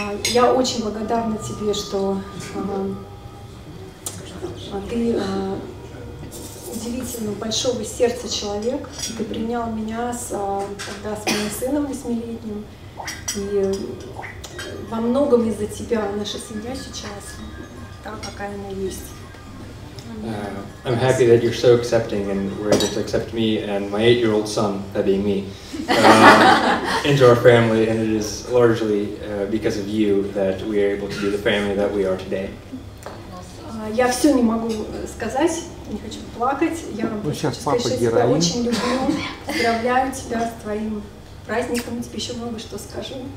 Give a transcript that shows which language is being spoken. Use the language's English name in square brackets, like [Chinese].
[Russian] Я очень благодарна тебе, что ты удивительно большого сердца человек. Ты принял меня тогда с моим сыном 8-летним. И во многом из-за тебя наша семья сейчас та, какая она есть. [English] I'm happy that you're so accepting and were able to accept me and my 8-year-old son, that being me, into our family, and it is largely because of you that we are able to be the family that we are today. [Russian] Я все не могу сказать, не хочу плакать. Я вам сейчас папа героин. Тебя очень люблю, поздравляю тебя с твоим праздником, и тебе еще много что скажу.